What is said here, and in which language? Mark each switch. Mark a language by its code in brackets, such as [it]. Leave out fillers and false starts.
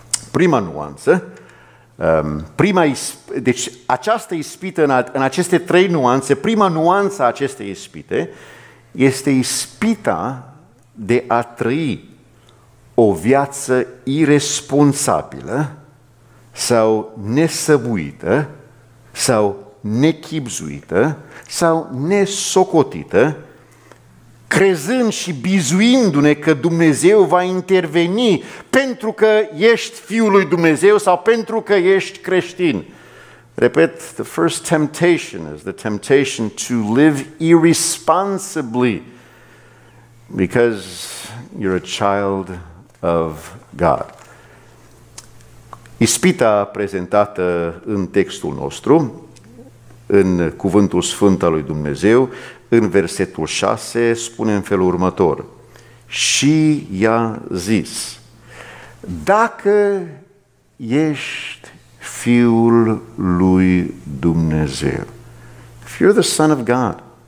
[ro] Prima nuanță, deci această ispită, în aceste trei nuanțe, prima nuanță a acestei ispite este ispita de a trăi o viață irresponsabilă sau nesăbuită sau nechibzuită sau nesocotită, crezând și bizuindu-ne că Dumnezeu va interveni pentru că ești fiul lui Dumnezeu sau pentru că ești creștin. Repet, [en] the first temptation is the temptation to live irresponsibly because you're a child of God. [ro] Ispita prezentată în textul nostru, în cuvântul sfânt al lui Dumnezeu, în versetul 6 spune în felul următor: și i-a zis, dacă ești fiul lui Dumnezeu, [en] if you're the son of God,